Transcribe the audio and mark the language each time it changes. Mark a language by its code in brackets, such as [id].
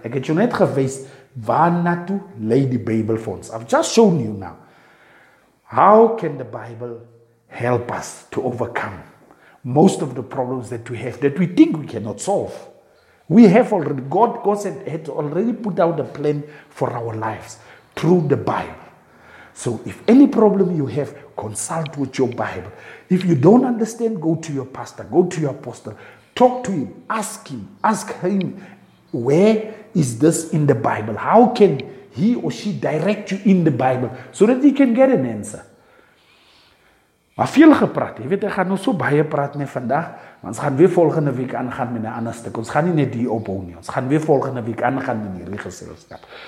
[af] Ek het jou net gewys waar na toe lei die Bybel vir ons. [en] I've just shown you now. How can the Bible help us to overcome most of the problems that we have that we think we cannot solve? We have already, God had already put out a plan for our lives through the Bible. So if any problem you have, consult with your Bible. If you don't understand, go to your pastor, go to your apostle, talk to him, ask him, where is this in the Bible? How can he or she direct you in the Bible so that he can get an answer? [af] Maar veel gepraat, jy weet, ek gaan nou so baie praat nie vandag, want ons gaan weer volgende week aangaan met 'n ander stuk. Ons gaan nie net hier ophou nie, ons gaan weer volgende week aangaan met hierdie geselskap.